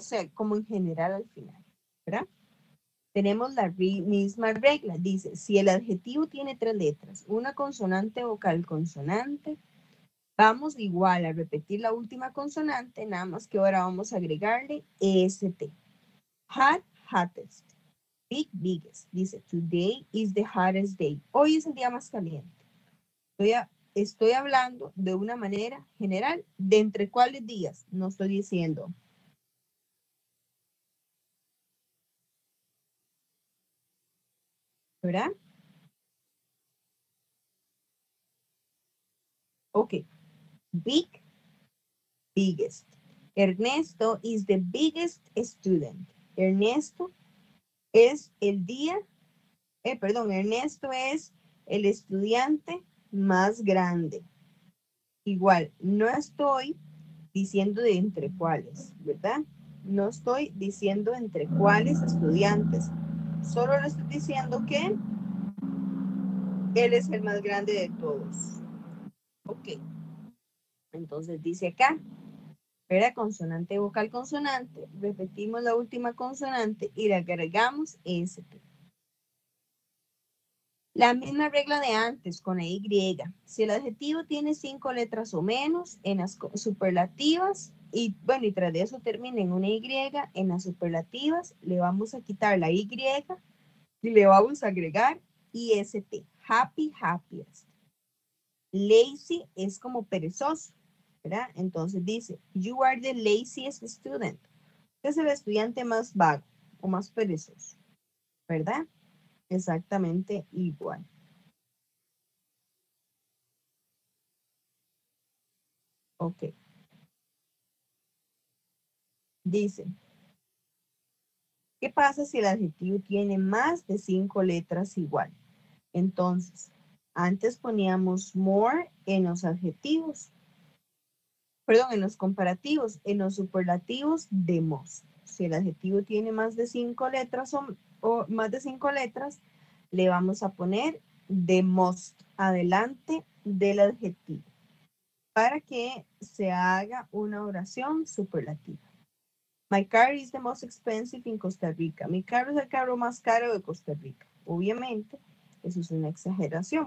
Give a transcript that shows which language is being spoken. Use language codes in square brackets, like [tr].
[es] O sea, como en general al final, ¿verdad? Tenemos la misma regla. Dice, si el adjetivo tiene tres letras, una consonante, vocal, consonante, vamos igual a repetir la última consonante, nada más que ahora vamos a agregarle EST. [en] Hot, hottest. Big, biggest. [es] Dice, [en] today is the hottest day. [es] Hoy es el día más caliente. Estoy hablando de una manera general, ¿de entre cuáles días? No estoy diciendo. ¿Verdad? [en] Ok. Big, biggest. Ernesto is the biggest student. [es] Ernesto es el día, perdón, Ernesto es el estudiante más grande. Igual, no estoy diciendo de entre cuáles, ¿verdad? No estoy diciendo entre cuáles estudiantes. Solo le estoy diciendo que él es el más grande de todos. Ok. Entonces dice acá, era consonante, vocal, consonante, repetimos la última consonante y le agregamos ST. La misma regla de antes con la Y. Si el adjetivo tiene cinco letras o menos en las superlativas, y bueno, y tras de eso termina en una Y, en las superlativas le vamos a quitar la Y y le vamos a agregar IST, happy, happiest. Lazy es como perezoso, ¿verdad? Entonces dice, [en] you are the laziest student. [es] Usted es el estudiante más vago o más perezoso, ¿verdad? Exactamente igual. Ok. Dice, ¿qué pasa si el adjetivo tiene más de cinco letras igual? Entonces, antes poníamos more en los adjetivos. Perdón, en los comparativos, en los superlativos de most. Si el adjetivo tiene más de cinco letras o más de cinco letras, le vamos a poner the most adelante del adjetivo para que se haga una oración superlativa. [en] My car is the most expensive in Costa Rica. [es] Mi carro es el carro más caro de Costa Rica. Obviamente, eso es una exageración.